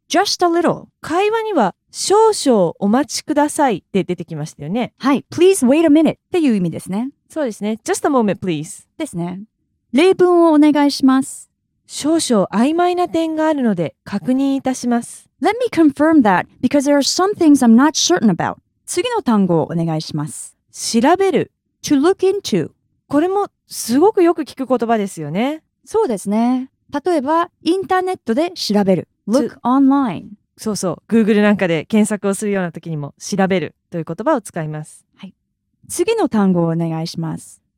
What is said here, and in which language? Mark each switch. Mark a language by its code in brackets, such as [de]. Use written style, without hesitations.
[en] Just a little [ja] 会話には少々お待ちくださいって出てきましたよねはい [en] Please wait a minute [ja] っていう意味ですねそうですね [en] Just a moment please [ja] ですね例文をお願いします少々曖昧な点があるので確認いたします [en] Let me confirm that because there are some things I'm not certain about [ja] 次の単語をお願いします調べる [en] To look into [ja] これもすごくよく聞く言葉ですよねそうですね例えば、インターネットで調べる。 [en] Look online. [ja] そうそう。 Google なんかで検索をするような時にも、調べるという言葉を使います。はい。次の単語をお願いします。